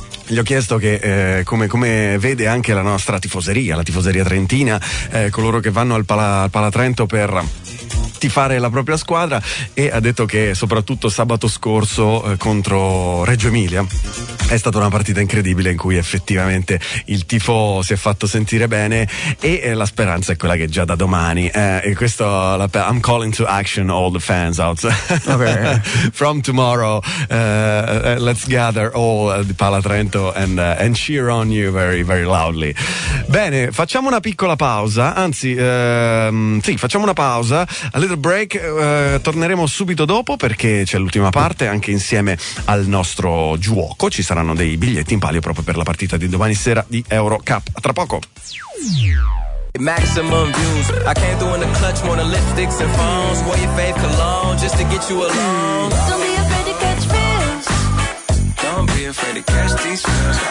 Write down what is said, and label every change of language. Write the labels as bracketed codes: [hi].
[it] Gli ho chiesto che come vede anche la nostra tifoseria, la tifoseria trentina, coloro che vanno al Pala Trento per tifare la propria squadra, e ha detto che soprattutto sabato scorso contro Reggio Emilia è stata una partita incredibile in cui effettivamente il tifo si è fatto sentire bene, e la speranza è quella che già da domani e questo [en] I'm calling to action all the fans out. Okay. From tomorrow let's gather all the Pala Trento and cheer on you very very loudly. [it] Bene, facciamo una piccola pausa, anzi sì, facciamo una pausa, [en] a little break, [it] torneremo subito dopo perché c'è l'ultima parte anche insieme al nostro giuoco. Ci saranno dei biglietti in palio proprio per la partita di domani sera di Euro Cup. A tra poco. [en] Maximum views. I came through in the clutch, more than lipsticks and phones. Wore your fave cologne just to get you alone. Don't be afraid to catch fish. Don't be afraid to catch these fish.